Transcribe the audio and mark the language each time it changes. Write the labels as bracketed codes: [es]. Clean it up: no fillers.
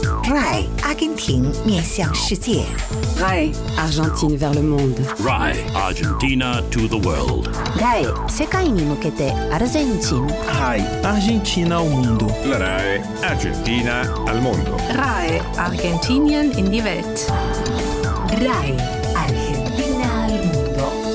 [zh] RAE, Argentina, 面向世界。 [fr] RAE, Argentina vers le monde. [en] RAE, Argentina to the world. [ja] RAE, 世界に向けて Argentina. [es] RAE, Argentina al mundo. RAE, Argentina al mundo. [de] RAE, Argentinian in die Welt. [es] RAE, Argentina al mundo.